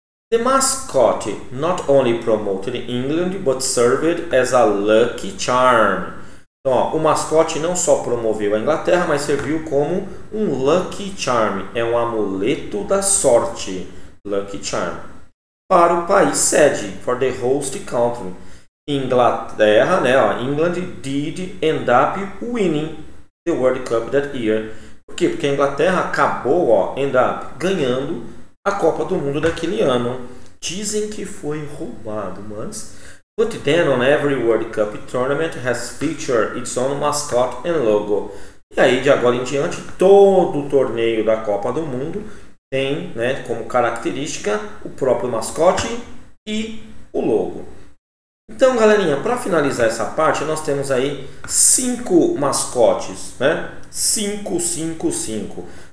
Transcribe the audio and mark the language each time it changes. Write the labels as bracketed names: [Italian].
[English] The mascot not only promoted England, but served as a lucky charm. [Portuguese] Então, ó, o mascote não só promoveu a Inglaterra, mas serviu como um lucky charm. É um amuleto da sorte. Lucky charm. Para o país sede, [English] for the host country. [Portuguese] Inglaterra, né, ó, [English] England did end up winning the World Cup that year. [Portuguese] Por quê? Porque a Inglaterra acabou, ó, [English] end up [Portuguese] ganhando a Copa do Mundo daquele ano. Dizem que foi roubado, mas... [English] But then on every World Cup tournament has featured its own mascot and logo. [Portuguese] E aí, de agora em diante, todo o torneio da Copa do Mundo tem, né, como característica o próprio mascote e o logo. Então, galerinha, para finalizar essa parte, nós temos aí cinco mascotes, né? 5, 5, 5.